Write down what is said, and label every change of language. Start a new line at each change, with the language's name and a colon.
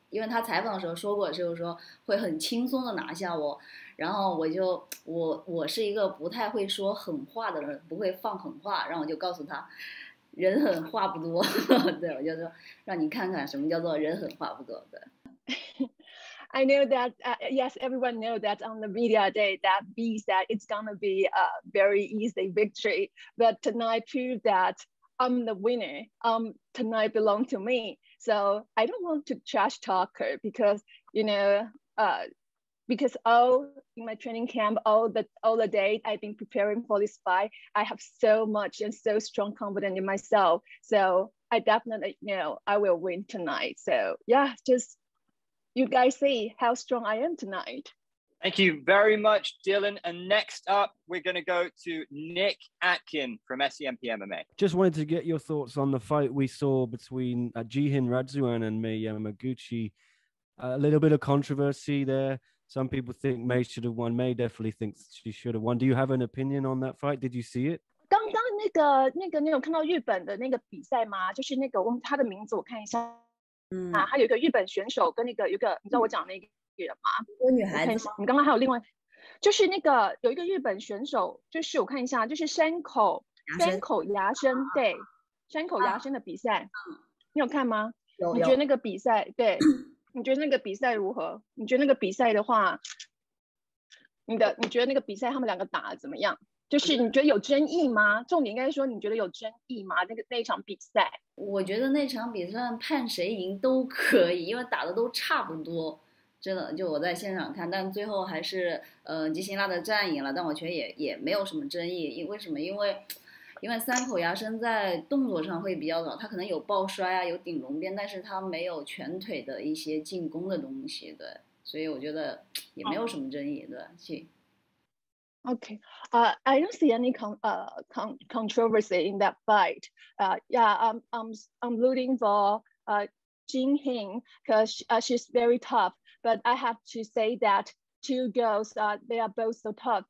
Chinese: 因为他采访的时候说过，就是说会很轻松的拿下我，然后我是一个不太会说狠话的人，不会放狠话，然后我就告诉他，人狠话不多，对，我就说让你看看什么叫做人狠话不多的。
English: I know that, yes, everyone knows that on the media day that Bi said it's gonna be a very easy victory, but tonight proved that I'm the winner, tonight belongs to me. So I don't want to trash talk her because, you know, because all in my training camp, all the day I've been preparing for this fight, I have so much and so strong confidence in myself. So I definitely know I will win tonight. So yeah, just you guys see how strong I am tonight. Thank you very much, Dylan. And next up, we're going to go to Nick Atkin from SCMP MMA. Just wanted to get your thoughts on the fight we saw between Jihin Radzuan and Mei Yamaguchi. A little bit of controversy there. Some people think Mei should have won. Mei definitely thinks she should have won. Do you have an opinion on that fight? Did you see it?
Chinese: 刚刚那个你有看到日本的那个比赛吗？就是那个他的名字我看一下。嗯，啊，他有一个日本选手跟那个有个你知道我讲那个。人吗？我女孩子吗？你刚刚还有另外，就是那个有一个日本选手，就是我看一下，就是山口牙生，啊，对，山口牙生的比赛，啊，你有看吗？有。你觉得那个比赛，对，你觉得那个比赛如何？你觉得那个比赛的话，你觉得那个比赛他们两个打怎么样？就是你觉得有争议吗？重点应该说你觉得有争议吗？那场比赛，我觉得那场比赛判谁赢都可以，因为打的都差不多。真的，就我在现场看，但最后还是吉辛拉的战赢了，但我觉得也没有什么争议。为什么？因为三口牙生在动作上会比较早，他可能有抱摔啊，有顶龙鞭，但是他没有全腿的一些进攻的东西，对，所以我觉得也没有什么争议，对，行。
English: Okay, I don't see any controversy in that fight. I'm rooting for Jihin because she's very tough. But I have to say that two girls, they are both so tough.